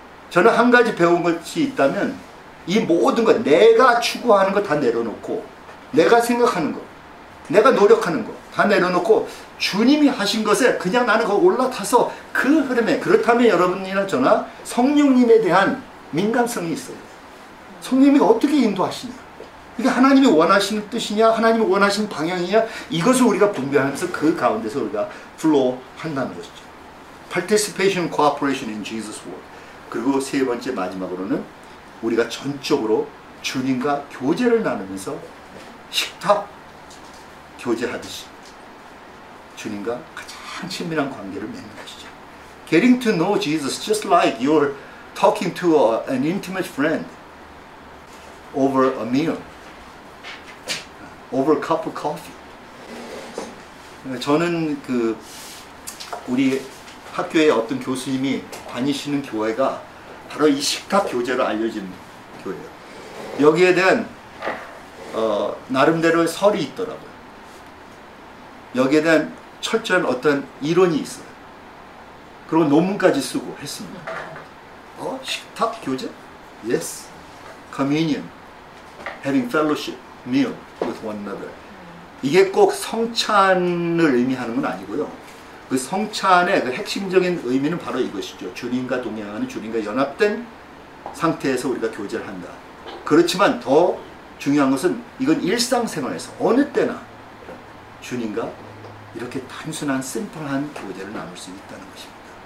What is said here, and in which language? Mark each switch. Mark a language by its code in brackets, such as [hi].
[ko] 저는 한 가지 배운 것이 있다면 이 모든 것 내가 추구하는 것 다 내려놓고 내가 생각하는 것 내가 노력하는 것 다 내려놓고 주님이 하신 것에 그냥 나는 거 올라타서 그 흐름에 그렇다면 여러분이나 저나 성령님에 대한 민감성이 있어요. 성령님이 어떻게 인도하시냐, 이게 하나님이 원하시는 뜻이냐, 하나님이 원하시는 방향이냐, 이것을 우리가 분별하면서 그 가운데서 우리가 플로우 한다는 것이죠. [en] Participation, cooperation in Jesus' work. [ko] 그리고 세 번째 마지막으로는 우리가 전적으로 주님과 교제를 나누면서 식탁 교제하듯이 주님과 가장 가장 친밀한 관계를 맺는 것이죠. [en] Getting to know Jesus just like you're talking to an intimate friend over a meal, over a cup of coffee. [ko] 저는 그 우리 학교의 어떤 교수님이 다니시는 교회가 바로 이 식탁 교제로 알려진 교회예요. 여기에 대한 나름대로의 설이 있더라고요. 여기에 대한 철저한 어떤 이론이 있어요. 그리고 논문까지 쓰고 했습니다. 식탁 교제? [en] Yes. Communion. Having fellowship meal with one another. [ko] 이게 꼭 성찬을 의미하는 건 아니고요. 그 성찬의 그 핵심적인 의미는 바로 이것이죠. 주님과 동행하는, 주님과 연합된 상태에서 우리가 교제를 한다. 그렇지만 더 중요한 것은 이건 일상생활에서 어느 때나 주님과 이렇게 단순한 심플한 교제를 나눌 수 있다는 것입니다.